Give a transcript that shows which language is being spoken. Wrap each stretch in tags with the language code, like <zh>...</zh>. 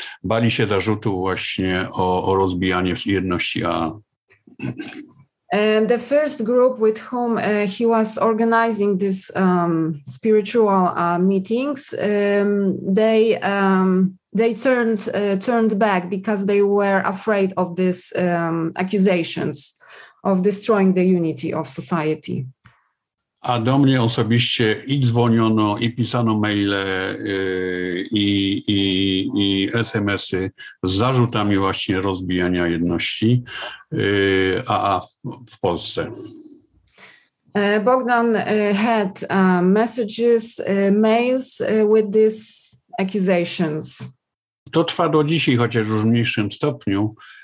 <pl>Bali się zarzutów właśnie o rozbijanie jedności AA.</pl> <en>The first group with whom he was organizing this spiritual meetings, they turned back because they were afraid of these accusations of destroying the unity of society.</en> <pl>A do mnie osobiście i dzwoniono, i pisano maile, i SMS-y z zarzutami właśnie rozbijania jedności AA w Polsce.</pl> <en>Bogdan had messages, mails with these accusations.</en> <pl>To trwa do dzisiaj, chociaż już w mniejszym stopniu.</pl>